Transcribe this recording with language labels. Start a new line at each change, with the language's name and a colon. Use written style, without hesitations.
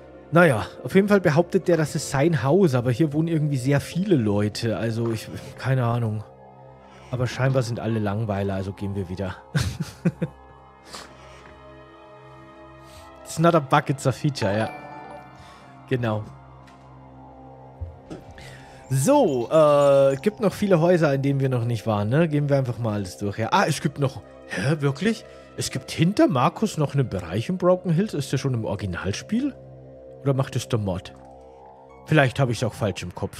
German: Naja, auf jeden Fall behauptet der, das ist sein Haus, aber hier wohnen irgendwie sehr viele Leute. Also, ich... keine Ahnung. Aber scheinbar sind alle Langweiler, also gehen wir wieder.
English: It's not a bug, it's a feature, ja.
German: Genau. So, gibt noch viele Häuser, in denen wir noch nicht waren, ne? Gehen wir einfach mal alles durch, ja. Ah, es gibt noch... Hä, wirklich? Es gibt hinter Markus noch einen Bereich in Broken Hills? Ist der schon im Originalspiel? Oder macht es der Mod? Vielleicht habe ich es auch falsch im Kopf.